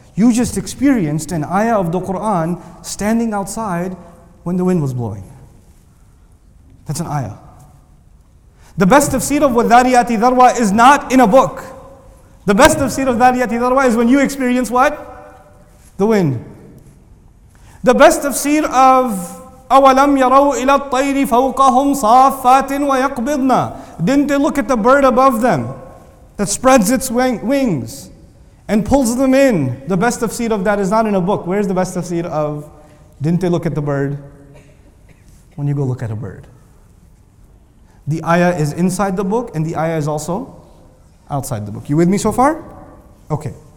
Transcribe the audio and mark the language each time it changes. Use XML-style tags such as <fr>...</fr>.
<en>You just experienced an ayah of the Quran standing outside when the wind was blowing. That's an ayah. The best tafsir of</en> <ar>وَالذَّارِيَاتِ ذَرْوَى</ar> <en>is not in a book. The best tafsir of</en> <ar>ذَارِيَاتِ ذَرْوَى</ar> <en>is when you experience what? The wind. The best tafsir of</en> <ar>أَوَلَمْ يَرَوْا إِلَى الطَّيْرِ فَوْقَهُمْ صَافَّاتٍ وَيَقْبِضْنَا.</ar> <en>Didn't they look at the bird above them that spreads its wings and pulls them in? The best tafsir of that is not in a book. Where's the best tafsir of didn't they look at the bird? When you go look at a bird. The ayah is inside the book, and the ayah is also outside the book. You with me so far? Okay.</en>